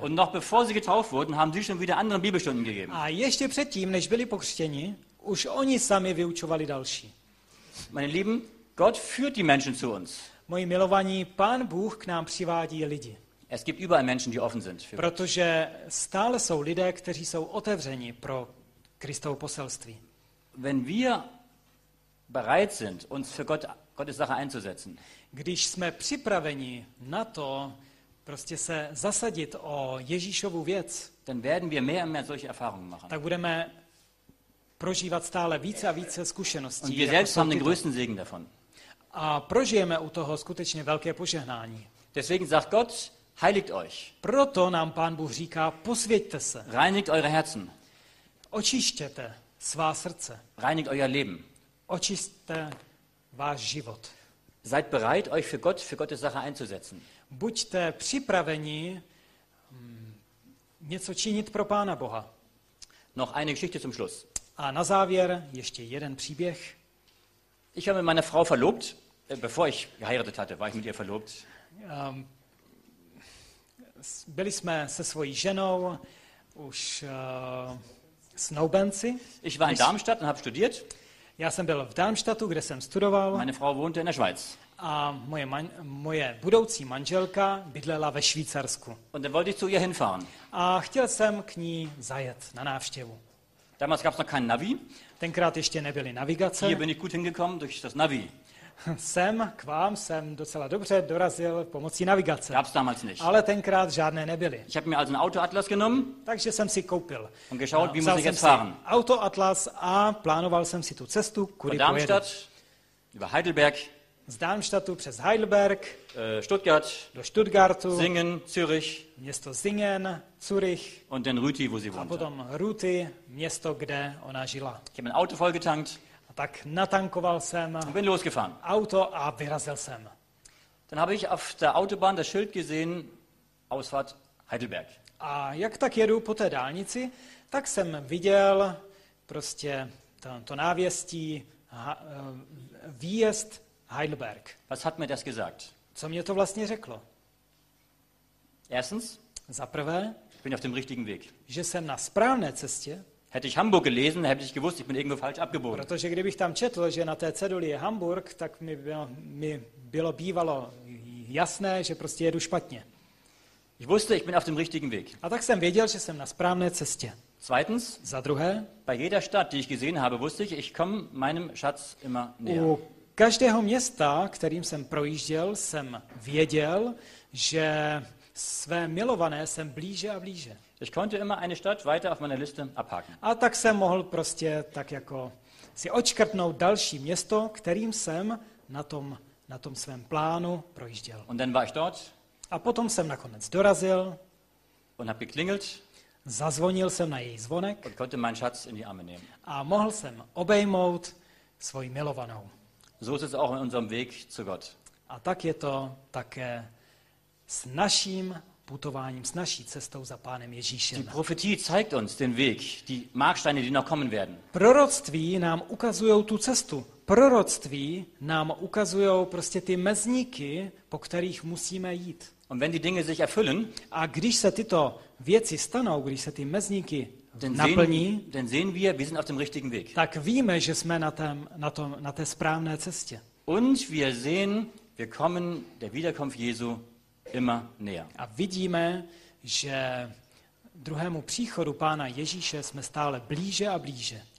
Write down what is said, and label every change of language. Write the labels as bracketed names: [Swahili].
[German] Und noch bevor sie getauft wurden, haben sie schon wieder anderen Bibelstunden gegeben. [Czech] A ještě předtím, než byli pokřtěni, už oni sami vyučovali další. [German] Meine Lieben, Gott führt die Menschen zu uns. [Czech] Moji milovaní, Pán Bůh k nám přivádí lidi. [German] Es gibt überall Menschen, die offen sind. [Czech] Protože stále jsou lidé, kteří jsou otevřeni pro Kristovo poselství. [German] Wenn wir bereit sind, uns für Gottes Sache einzusetzen. [Czech] Když jsme připraveni na to, prostě se zasadit o Ježíšovu věc, [German] dann werden wir mehr und mehr solche Erfahrungen machen. [Czech] Tak budeme prožívat stále více a více zkušeností. [German] Und wir selbst haben den größten Segen davon. [Czech] A prožijeme u toho skutečně velké požehnání. [German] Deswegen sagt Gott, heiligt euch. [Czech] Proto nám Pán Bůh říká, posvěťte se. [German] Reinigt eure Herzen. [Czech] Očištěte svá srdce. [German] Reinigt euer Leben. [Czech] Očistte váš život. [German] Seid bereit, euch für Gottes Sache einzusetzen. [Czech] Buďte připraveni něco činit pro Pána Boha. [German] Noch eine Geschichte zum Schluss. [Czech] A na závěr ještě jeden příběh. [German] Ich habe mit meiner Frau verlobt, bevor ich geheiratet hatte, war ich mit ihr verlobt. [Czech] Byli jsme se svojí ženou už snoubenci. [German] Ich war in Darmstadt und habe studiert. [Czech] Já jsem byl v Darmstadtu, kde jsem studoval. [German] Meine Frau wohnte in der Schweiz. [Czech] A moje budoucí manželka bydlela ve Švýcarsku. [German] Und dann wollte ich zu ihr hinfahren. [Czech] a chtěl jsem k ní zajet na návštěvu. [German] Damals gab's noch kein Navi. [Czech] Tenkrát ještě nebyly navigace. [German] Hier bin ich gut hingekommen durch das Navi. [Czech] Sem k vám jsem docela dobře dorazil pomocí navigace. [German] Gab's damals nicht. [Czech] Ale tenkrát žádné nebyly. [German] Ich habe mir also ein Autoatlas genommen. [Czech] Takže jsem si koupil. [German] Und geschaut, wie muss ich jetzt fahren. [Czech] Autoatlas a plánoval jsem si tu cestu, kudy pojedu. [German] Darmstadt über Heidelberg. [Czech] Z Darmstadtu přes Heidelberg. [German] Stuttgart. [Czech] Do Stuttgartu. [German] Singen, Zürich. [Czech] Město Singen, Zürich. [German] Und den Rüti, wo sie wohnte. [Czech] A potom Rüti, město, kde ona žila. [German] Ich habe mein Auto vollgetankt. [Czech] Tak natankoval jsem. [German] Und bin losgefahren. [Czech] Auto a vyrazil jsem. [German] Dann habe ich auf der Autobahn das Schild gesehen, Ausfahrt Heidelberg. [Czech] A jak tak jedu po té dálnici, tak jsem viděl prostě to návěstí výjezd Heidelberg. [German] Was hat mir das gesagt? [Czech] Co mě to vlastně řeklo? [German] Erstens, [Czech] za prvé, [German] ich bin auf dem richtigen Weg. [Czech] Že jsem na správné cestě. [German] Hätte ich Hamburg gelesen, hätte ich gewusst, ich bin irgendwo falsch abgebogen. [Czech] Protože kdybych tam četl, že na té ceduli je Hamburg, tak mi bylo bývalo jasné, že prostě jedu špatně. [German] Ich wusste, ich bin auf dem richtigen Weg. [Czech] A tak jsem věděl, že jsem na správné cestě. [German] Zweitens, [Czech] za druhé, [German] bei jeder Stadt, die ich gesehen habe, wusste ich, ich komme meinem Schatz immer näher. [Czech] U každého města, kterým jsem projížděl, jsem věděl, že své milované jsem blíže a blíže. [German] Ich konnte immer eine Stadt weiter auf meiner Liste abhaken. [Czech] A tak jsem mohl prostě tak jako si odškrtnout další město, kterým jsem na tom svém plánu projížděl. [German] Und dann war ich dort. [Czech] A potom jsem nakonec dorazil. [German] Und hab geklingelt. [Czech] Zazvonil jsem na její zvonek. [German] Und konnte meinen Schatz in die Arme nehmen. [Czech] A mohl jsem obejmout svoji milovanou. [German] So ist es auch in unserem Weg zu Gott. [Czech] A tak je to také s naším putováním, s naší cestou za Pánem Ježíšem. [German] Die Prophetie zeigt uns den Weg, die Marksteine, die noch kommen werden. [Czech] Proroctví nám ukazují tu cestu. Proroctví nám ukazují prostě ty mezníky, po kterých musíme jít. [German] Und wenn die Dinge sich erfüllen, [Czech] a když se tyto věci stanou, když se ty mezníky naplní, [German] dann sehen wir sind auf dem richtigen Weg. [Czech] Tak víme, že jsme na té správné cestě. [German] Und wir sehen, wir kommen der Wiederkunft Jesu immer näher. [Czech] A vidíme, že druhému příchodu Pána Ježíše jsme stále blíže a blíže.